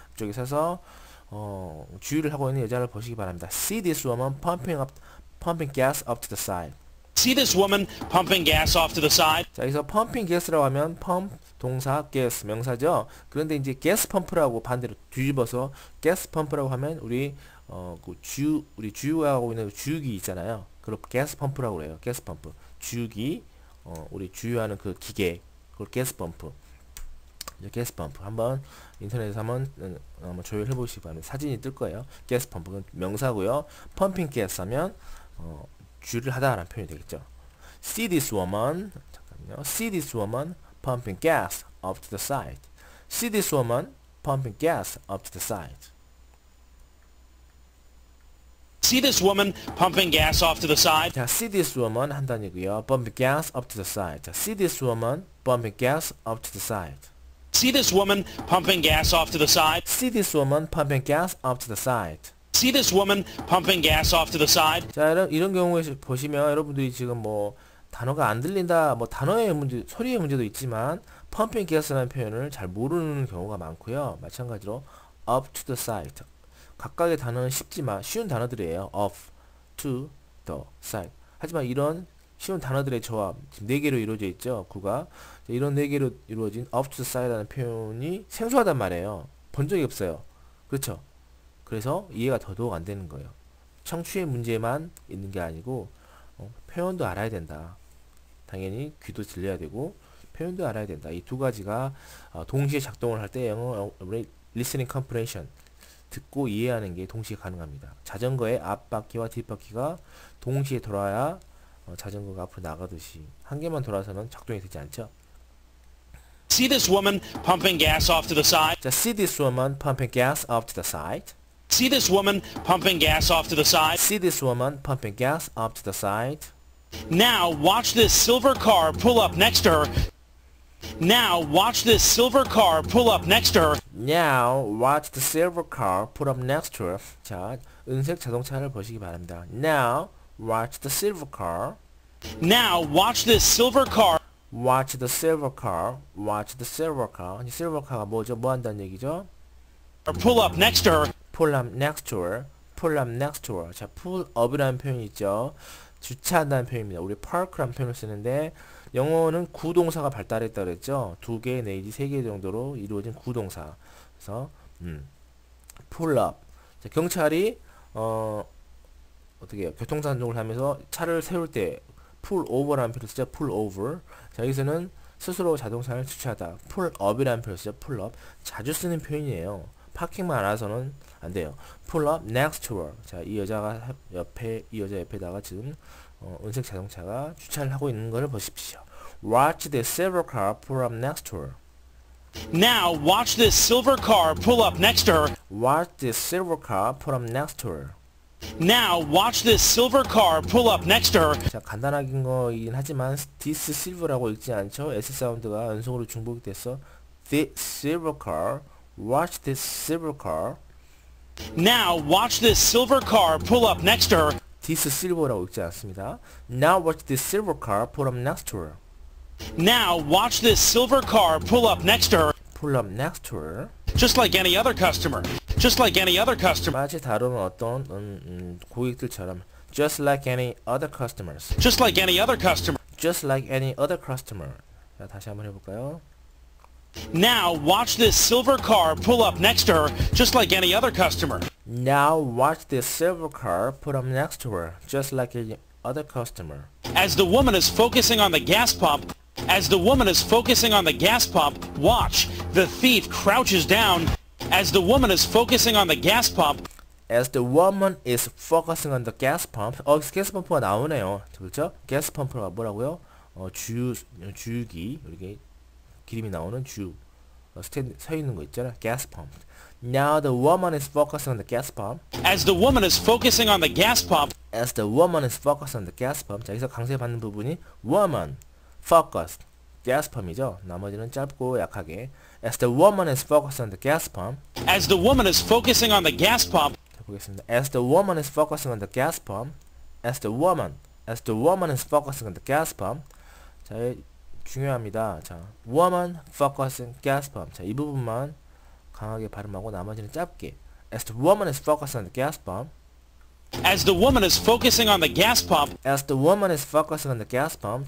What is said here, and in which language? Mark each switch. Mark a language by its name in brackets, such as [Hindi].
[Korean] 쪽에 서서 주유를 하고 있는 여자를 보시기 바랍니다. [English] See this woman pumping up. Pumping gas off to the side. See this woman pumping gas off to the side. [Korean] 자, 여기서 [English] pumping gas [Korean] 라고 하면 pump 동사 gas 명사죠. 그런데 이제 gas pump라고 반대로 뒤집어서 gas pump라고 하면 우리 우리 주유하고 있는 주유기 있잖아요. 그걸 gas pump라고 그래요. Gas pump 주유기 우리 주유하는 그 기계 그걸 gas pump. 이제 gas pump 한번 인터넷에서 한번 조회해 보시기 바랍니다. 사진이 뜰 거예요. Gas pump은 명사고요. [English] Pumping gas [Korean] 하면 주유를 하다라는 표현이 되겠죠. [English] See this woman, [Korean] 잠깐요. [English] See this woman pumping gas up to the side. See this woman pumping gas up to the side. See this woman pumping gas off to the side. 자, see this woman [Korean] 한 단어고요. [English] Pumping gas up to the side. 자, see this woman pumping gas up to the side. See this woman pumping gas off to the side. See this woman pumping gas off to the side. See this woman pumping gas off to the side. [Korean] 자, 이런 경우에 보시면 여러분들이 지금 뭐 단어가 안 들린다, 뭐 단어의 문제, 소리의 문제도 있지만 [English] pumping gas [Korean] 라는 표현을 잘 모르는 경우가 많고요. [English] 마찬가지로 up to the side. [Korean] 각각의 단어는 쉽지만 쉬운 단어들이에요. Up to the side. 하지만 이런 쉬운 단어들의 조합 지금 네 개로 이루어져 있죠. 구가 이런 네 개로 이루어진 [English] up to the side [Korean] 라는 표현이 생소하단 말이에요. 본 적이 없어요. 그렇죠? 그래서 이해가 더더욱 안 되는 거예요. 청취의 문제만 있는 게 아니고 표현도 알아야 된다. 당연히 귀도 들려야 되고 표현도 알아야 된다. 이 두 가지가 동시에 작동을 할 때 영어 [English] listening comprehension [Korean] 듣고 이해하는 게 동시에 가능합니다. 자전거의 앞바퀴와 뒷바퀴가 동시에 돌아야 자전거가 앞으로 나가듯이 한 개만 돌아서는 작동이 되지 않죠. [English] See this woman pumping gas off to the side. 자, see this woman pumping gas off to the side. See this woman pumping gas off to the side. See this woman pumping gas off to the side. Now watch this silver car pull up next to her. Now watch this silver car pull up next to her. Now watch the silver car pull up next to her. [Korean] 자, 은색 자동차를 보시기 바랍니다. [English] Now watch the silver car. Now watch this silver car. Watch the silver car. Watch the silver car. 이 silver car가 [Korean] 뭐죠? 뭐 한다는 얘기죠? [English] Pull up next to her. Pull up next to her. Pull up next to her. 자, pull up이라는 [Korean] 표현이 있죠. 주차한다는 표현입니다. 우리 park라는 표현을 쓰는데 영어는 구동사가 발달했다고 그랬죠. 두 개 내지 세 개 정도로 이루어진 구동사. 그래서 pull up. 자, 경찰이 어떻게 해요? 교통단속을 하면서 차를 세울 때 pull over라는 표현을 쓰죠. Pull over. 자, 여기서는 스스로 자동차를 주차하다. Pull up이라는 표현을 쓰죠. Pull up. 자주 쓰는 표현이에요. 파킹만 알아서는 안 돼요. [English] Pull up next to her. [Korean] 자, 이 여자가 옆에 이 여자 옆에다가 지금 은색 자동차가 주차를 하고 있는 것을 보십시오. [English] Watch this silver car pull up next to her. Now watch this silver car pull up next to her. Watch this silver car pull up next to her. Now watch this silver car pull up next to her. [Korean] 자, 간단한 거이긴 하지만 [English] this silver [Korean] 라고 읽지 않죠? S 사운드가 연속으로 중복이 됐어. [English] This silver car. Watch this silver car. Now watch this silver car pull up next to her. This silver [Korean] 라고 읽지 않습니다. [English] Now watch this silver car pull up next to her. Now watch this silver car pull up next to her. Pull up next to her. Just like any other customer. Just like any other customer. [Korean] 마치 다른 어떤 고객들처럼. [English] Just like any other customers. Just like any other customer. Just like any other customer. [Korean] 자, 다시 한번 해볼까요? [English] Now watch this silver car pull up next to her, just like any other customer. Now watch this silver car pull up next to her, just like any other customer. As the woman is focusing on the gas pump, as the woman is focusing on the gas pump, watch the thief crouches down. As the woman is focusing on the gas pump, as the woman is focusing on the gas pump. [Korean] 가스 펌프가 나오네요. 그렇죠? 가스 펌프가 뭐라고요? 주유기 이렇게. 기름이 나오는 주 스탠드 서 있는 거 있잖아. [English] Gas pump. Now the woman is focusing on the gas pump. As the woman is focusing on the gas pump. As the woman is focusing on the gas pump. [Korean] 자, 여기서 강세 받는 부분이 [English] woman focus gas pump [Korean] 이죠. 나머지는 짧고 약하게. [English] As the woman is focusing on the gas pump. As the woman is focusing on the gas pump. [Korean] 자, 보겠습니다. [English] As the woman is focusing on the gas pump. As the woman. As the woman is focusing on the gas pump. [Korean] 자, 중요합니다. [English] 자, woman focusing gas pump. [Korean] 자, 이 부분만 강하게 발음하고 나머지는 짧게. [English] As the woman is focusing on the gas pump. As the woman is focusing on the gas pump. As the woman is focusing on the gas pump.